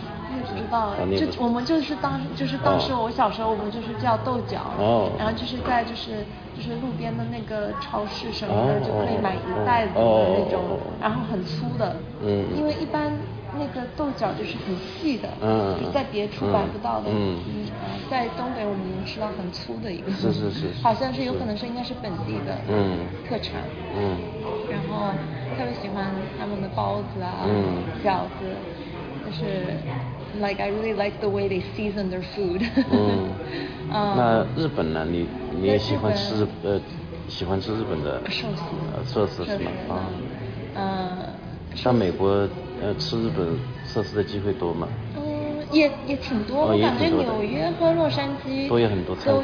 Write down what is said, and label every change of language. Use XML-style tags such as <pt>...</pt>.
<zh>不知道，当时我小时候我们就是叫豆角，然后就是在就是路边的那个超市什么的就可以买一袋子的那种，然后很粗的，因为一般那个豆角就是很细的，就在别处买不到的，在东北我们能吃到很粗的一个，是，好像是有可能是应该是本地的，特产，然后特别喜欢他们的包子啊，饺子，就是。</zh> <en>like I really like the way they season their food.</en> <zh>嗯，那日本呢？你也喜欢吃喜欢吃日本的寿司？寿司是吗？啊，嗯。像美国吃日本寿司的机会多吗？嗯，也挺多。我感觉纽约和洛杉矶都有很多餐馆，</zh>